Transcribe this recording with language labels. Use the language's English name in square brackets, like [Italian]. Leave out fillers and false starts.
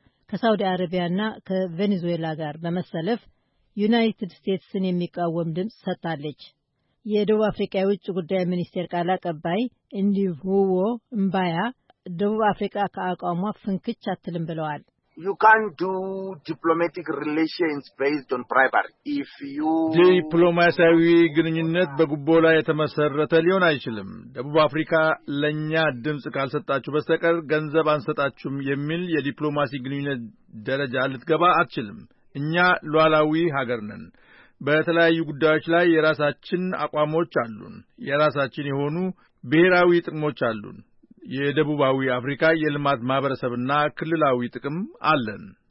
[Amharic] ከሳውዲ አረቢያና ከቬኔዙዌላ ጋር በመሰለፍ ዩናይትድ ስቴትስን የሚቃወም ድምፅ ሰጥታለች። የደቡብ አፍሪካ የውጭ ጉዳይ ሚኒስቴር ቃል አቀባይ እንዲቭ ሁዎ እምባያ ደቡብ አፍሪካ ከአቋሟ ፍንክች አትልም ብለዋል። [English] You can't do diplomatic relations based on bribery. If you [Amharic] ዲፕሎማሲያዊ ግንኙነት በጉቦ ላይ የተመሰረተ ሊሆን አይችልም። ደቡብ አፍሪካ ለኛ ድምጽ ካልሰጣችሁ በስተቀር ገንዘብ አንሰጣችሁም የሚል የዲፕሎማሲ ግንኙነት ደረጃ ልትገባ አትችልም። እኛ ሏላዊ ሀገር ነን። በተለያዩ ጉዳዮች ላይ የራሳችን አቋሞች አሉን። የራሳችን የሆኑ ብሔራዊ ጥቅሞች አሉን። የደቡባዊ አፍሪካ የልማት ማህበረሰብና ክልላዊ ጥቅም አለን።